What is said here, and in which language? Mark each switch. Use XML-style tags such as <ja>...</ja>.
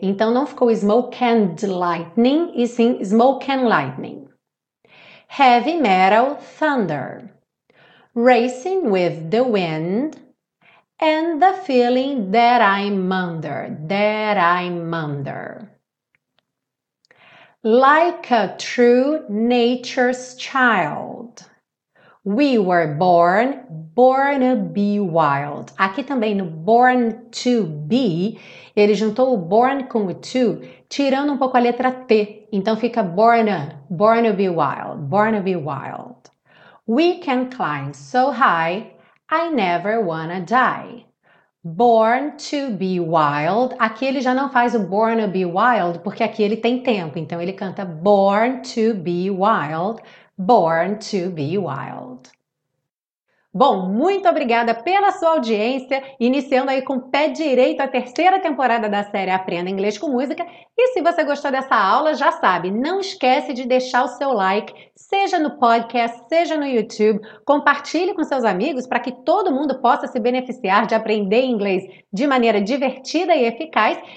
<pt>Então não ficou</pt> <en>smoke and lightning</en> <pt>e sim</pt> <en>smoke and lightning. Heavy metal thunder. Racing with the wind and the feeling that I'm under, that I'm under. Like a true nature's child. We were born, born to be wild.</en> <pt>Aqui também no born to be, ele juntou o born com o to, tirando um pouco a letra T. Então fica</pt> <en>born, born to be wild, born to be wild. We can climb so high, I never wanna die. Born to be wild.</en> <pt>Aqui ele já não faz o</pt> <en>born to be wild,</en> <pt>porque aqui ele tem tempo. Então ele canta</pt> <en>born to be wild, born to be wild.</en> <pt>Bom, muito obrigada pela sua audiência, iniciando aí com pé direito a terceira temporada da série Aprenda Inglês com Música. E se você gostou dessa aula, já sabe, não esquece de deixar o seu like, seja no podcast, seja no YouTube. Compartilhe com seus amigos para que todo mundo possa se beneficiar de aprender inglês de maneira divertida e eficaz.</pt>